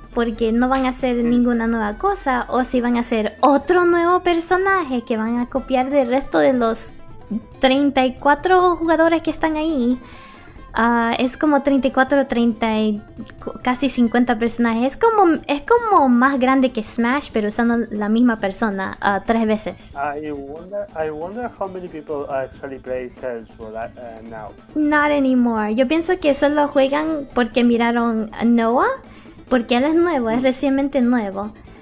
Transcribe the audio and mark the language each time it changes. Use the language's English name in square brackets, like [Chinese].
[Spanish] porque no van a hacer ninguna nueva cosa, o si van a hacer otro nuevo personaje que van a copiar del resto de los 34 jugadores que están ahí. Es como 34 o 30, casi 50 personajes. Es como más grande que Smash, pero usando la misma persona tres veces. [English] I wonder how many people actually play Cells now. Not anymore. [Spanish] Yo pienso que solo juegan porque miraron a Noah, porque él es nuevo, es recientemente nuevo.